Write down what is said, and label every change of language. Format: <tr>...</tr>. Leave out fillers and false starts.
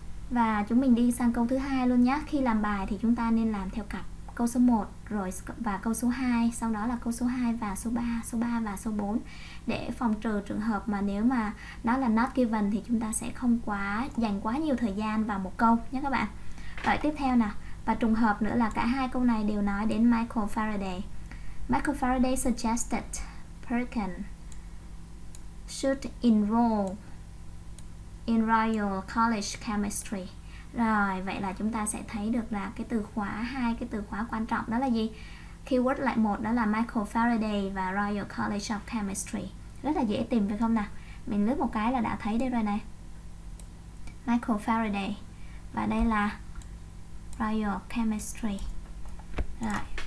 <vi>Và chúng mình đi sang câu thứ hai luôn nhé. Khi làm bài thì chúng ta nên làm theo cặp câu số 1 rồi và câu số 2, sau đó là câu số 2 và số 3, số 3 và số 4, để phòng trừ trường hợp mà nếu mà nó là not given thì chúng ta sẽ không quá dành quá nhiều thời gian vào một câu nhé các bạn. Rồi tiếp theo nè, và trùng hợp nữa là cả hai câu này đều nói đến Michael Faraday.</vi> <en>Michael Faraday suggested Perkin should enroll in Royal College Chemistry.</en> <vi>Rồi, vậy là chúng ta sẽ thấy được là cái từ khóa, hai cái từ khóa quan trọng đó là gì? Keyword lại một đó là Michael Faraday và Royal College of Chemistry. Rất là dễ tìm phải không nào? Mình lướt một cái là đã thấy đây rồi này. Michael Faraday. Và đây là Royal Chemistry. Rồi.</vi>